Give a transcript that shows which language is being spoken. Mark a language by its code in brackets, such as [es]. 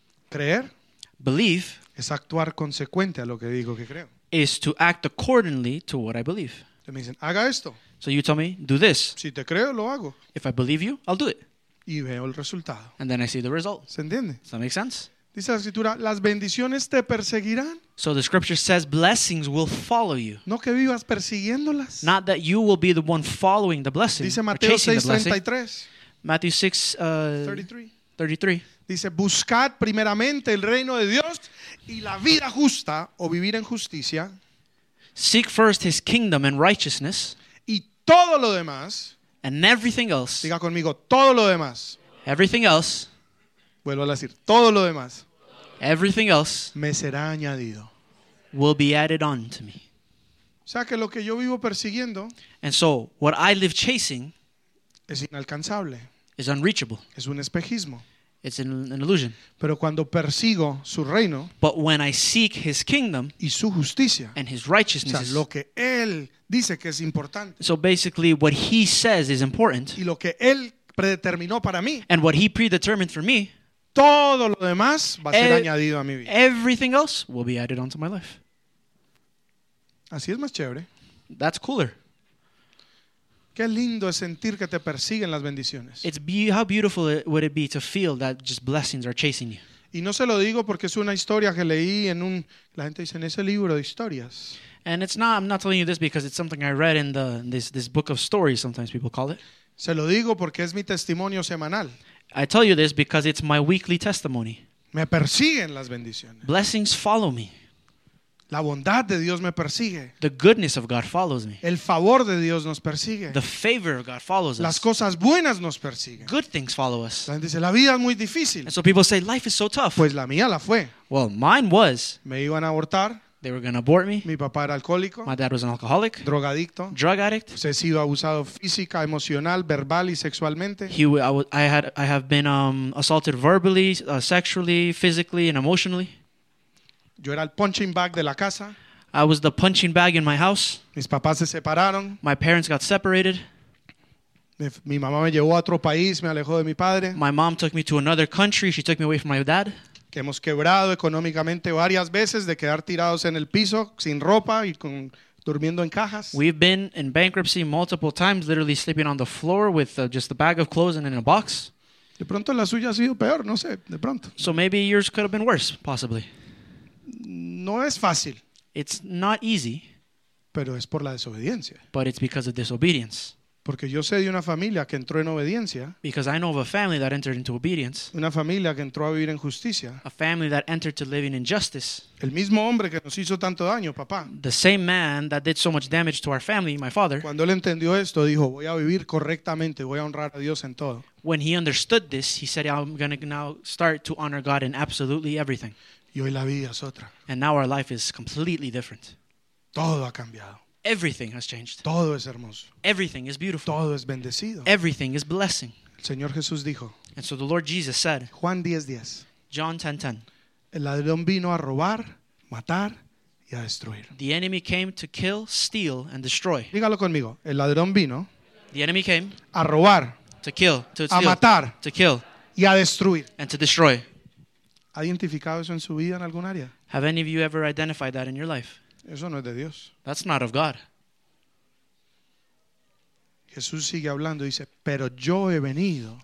[es] Creer. [en] Believe. [es] Es actuar consecuente a lo que digo que creo. [en] Is to act accordingly to what I believe. [es] Me dicen, haga esto. [en] So you tell me, do this. [es] Si te creo, lo hago. [en] If I believe you, I'll do it. [es] y veo el resultado. [en] And then I see the result. [es] ¿Se entiende? [en] Does that make sense? [es] Dice la escritura, las bendiciones te perseguirán. [en] So the scripture says blessings will follow you. [es] No que vivas persiguiéndolas. [en] Not that you will be the one following the blessing. [es] Dice Mateo 6:33. [en] Matthew 6:33. [es] Dice, buscad primeramente el reino de Dios y la vida justa o vivir en justicia. [en] Seek first his kingdom and righteousness. [es] Y todo lo demás. [en] And everything else. [es] Diga conmigo, todo lo demás. [en] Everything else. [es] Vuelvo a decir, todo lo demás. [en] Everything else. [es] Me será añadido. [en] Will be added on to me. [es] O sea que lo que yo vivo persiguiendo. [en] And so, what I live chasing. [es] Es inalcanzable. [en] Is unreachable. [es] Es un espejismo. [en] It's an illusion. [es] Pero cuando persigo su reino. [en] But when I seek his kingdom. [es] Y su justicia. [en] And his righteousness. [es] O sea, lo que él dice que es importante. [en] So basically, what he says is important. [es] Y lo que él predeterminó para mí. [en] And what he predetermined for me. [es] Todo lo demás va a ser añadido a mi vida. [en] Everything else will be added onto my life. [es] Así es más chévere. [en] That's cooler. [es] Qué lindo es sentir que te persiguen las bendiciones. [en] How beautiful would it be to feel that just blessings are chasing you. [es] Y no se lo digo porque es una historia que leí en un... La gente dice, en ese libro de historias. [en] And I'm not telling you this because it's something I read in this book of stories, sometimes people call it. [es] Se lo digo porque es mi testimonio semanal. [en] I tell you this because it's my weekly testimony. [es] Me persiguen las bendiciones. [en] Blessings follow me. [es] La bondad de Dios me persigue. [en] The goodness of God follows me. [es] El favor de Dios nos persigue. [en] The favor of God follows us. [es] Las cosas buenas nos persiguen. [en] Good things follow us. [es] La gente dice, la vida es muy difícil. [en] And so people say, life is so tough. [es] Pues la mía la fue. [en] Well, mine was. [es] Me iban a abortar. [en] They were going to abort me. [es] Mi papá era alcohólico. [en] My dad was an alcoholic. [es] Drogadicto. [en] Drug addict. [es] He sido abusado física, emocional, verbal y sexualmente. [en] I have been assaulted verbally, sexually, physically and emotionally. [es] Yo era el punching bag de la casa. [en] I was the punching bag in my house. [es] Mis papás se separaron. [en] My parents got separated. [es] Mi mamá me llevó a otro país, me alejó de mi padre. [en] My mom took me to another country. She took me away from my dad. [es] Hemos quebrado económicamente varias veces de quedar tirados en el piso sin ropa y con durmiendo en cajas. [en] We've been in bankruptcy multiple times, literally sleeping on the floor with just a bag of clothes and in a box. [es] De pronto la suya ha sido peor, no sé, de pronto. [en] So maybe yours could have been worse, possibly. [es] No es fácil. [en] It's not easy. [es] Pero es por la desobediencia. [en] But it's because of disobedience. [es] Porque yo sé de una familia que entró en obediencia. [en] Because I know of a family that entered into obedience. [es] Una familia que entró a vivir en justicia. [en] A family that entered to living in justice. [es] El mismo hombre que nos hizo tanto daño, papá. [en] The same man that did so much damage to our family, my father. [es] Cuando él entendió esto, dijo, voy a vivir correctamente, voy a honrar a Dios en todo. [en] When he understood this, he said, I'm going to now start to honor God in absolutely everything. [es] Y hoy la vida es otra. [en] And now our life is completely different. [es] Todo ha cambiado. [en] Everything has changed. [es] Todo es hermoso. [en] Everything is beautiful. [es] Todo es bendecido. [en] Everything is blessing. [es] El Señor Jesús dijo. [en] And so the Lord Jesus said. [es] Juan 10:10. [en] John 10:10. [es] El ladrón vino a robar, matar y a destruir. [en] The enemy came to kill, steal and destroy. [es] Dígalo conmigo. El ladrón vino. [en] The enemy came. [es] A robar. [en] To kill. To steal. [es] A matar. [en] To kill. [es] Y a destruir. [en] And to destroy. [es] ¿Ha identificado eso en su vida en algún área? [en] Have any of you ever identified that in your life? [es] Eso no es de Dios. [en] That's not of God. [es] Jesús sigue hablando y dice, pero yo he venido.